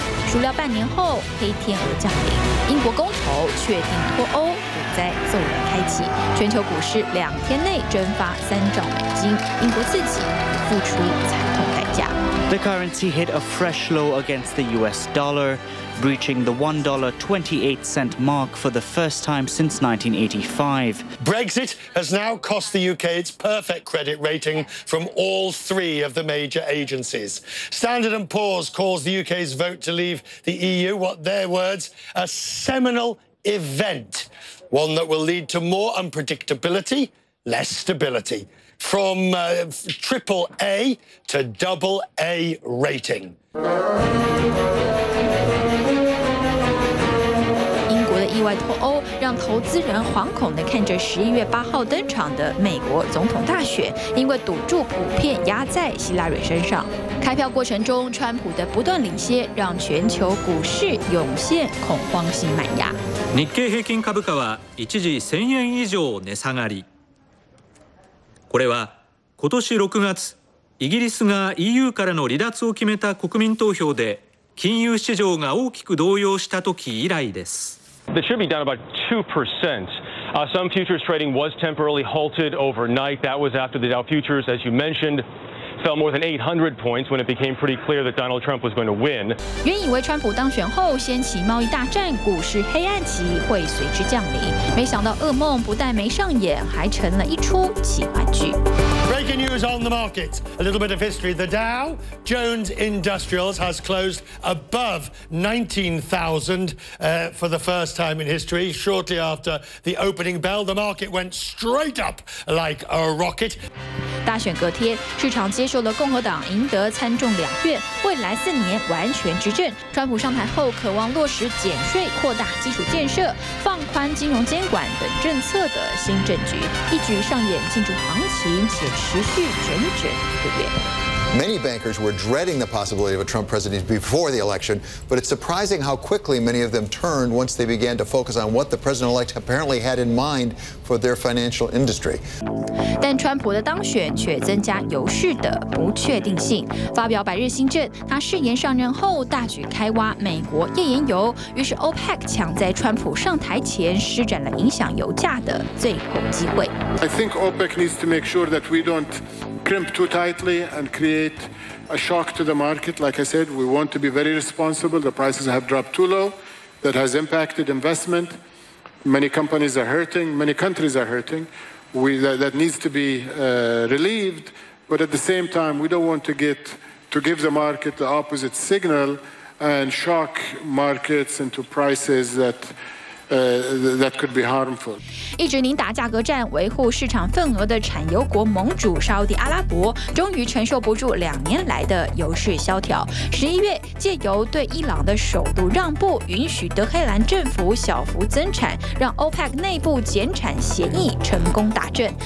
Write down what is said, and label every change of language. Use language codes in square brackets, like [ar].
[zh] 孰料半年后黑天鹅降临，英国公投确定脱欧，股灾骤然开启，全球股市2天内蒸发3兆美金，英国自己付出惨痛代价。 [en] The currency hit a fresh low against the US dollar, breaching the $1.28 mark for the first time since 1985. Brexit has now cost the UK its perfect credit rating from all three of the major agencies. Standard & Poor's calls the UK's vote to leave the EU, what their words, a seminal event, one that will lead to more unpredictability, less stability. From AAA to AA rating. [zh] 英国的意外脱欧让投资人惶恐地看着11月8号登场的美国总统大选，因为赌注普遍压在希拉蕊身上。开票过程中，川普的不断领先让全球股市涌现恐慌性买压。 [ja] 日経平均株価は一時1000円以上値下がり。これは今年6月、イギリスが EU からの離脱を決めた国民投票で、金融市場が大きく動揺した時以来です。 [en] They should be down about 2%. Some futures trading was temporarily halted overnight. That was after the Dow futures, as you mentioned. fell more than 800 points when it became pretty clear that Donald Trump was going to win. [zh] 原以为川普当选后掀起贸易大战，股市黑暗期会随之降临，没想到噩梦不但没上演，还成了一出奇幻剧。 [en] Breaking news on the market. A little bit of history. The Dow Jones Industrials has closed above 19,000 for the first time in history. Shortly after the opening bell, the market went straight up like a rocket. [zh] 大选隔天，市场接受了共和党赢得参众两院，未来四年完全执政。川普上台后，渴望落实减税、扩大基础建设、放宽金融监管等政策的新政局，一举上演庆祝行情，且持续整整一个月。 [en] Many bankers were dreading the possibility of a Trump presidency before the election, but it's surprising how quickly many of them turned once they began to focus on what the president-elect apparently had in mind for their financial industry. [zh] 但川普的当选却增加油市的不确定性。发表百日新政，他誓言上任后大举开挖美国页岩油，于是 OPEC 抢在川普上台前施展了影响油价的最后机会。 [en] I think OPEC needs to make sure that we don't. Crimp too tightly and create a shock to the market. Like I said, we want to be very responsible. The prices have dropped too low. That has impacted investment. Many companies are hurting. Many countries are hurting. That needs to be relieved. But at the same time, we don't want to give the market the opposite signal and shock markets into prices that. That could be harmful. [zh] 一直拧打价格战、维护市场份额的产油国盟主沙特阿拉伯，终于承受不住两年来的油市萧条。十一月，借由对伊朗的首度让步，允许德黑兰政府小幅增产，让 OPEC 内部减产协议成功达阵。